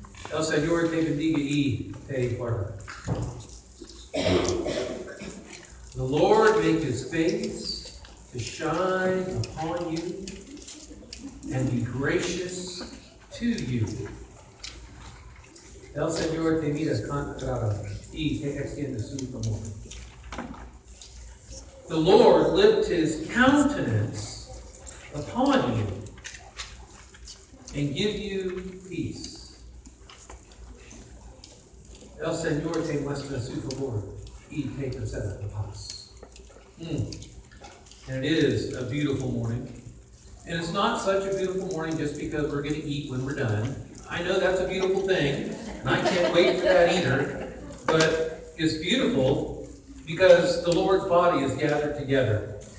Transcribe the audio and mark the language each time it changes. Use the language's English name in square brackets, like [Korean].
[English] Elsa, you're David D.B.E. Hey, Barbara. The Lord make his face to shine upon you and be gracious to you. [Spanish] El Señor te mira con cara y te extiende su favor. [English] The Lord lift his countenance upon you and give you peace. [Spanish] El Señor te muestra su favor y te concede la paz. [English] And it is a beautiful morning. And it's not such a beautiful morning just because we're going to eat when we're done. I know that's a beautiful thing, and I can't wait for that either. But it's beautiful because the Lord's body is gathered together.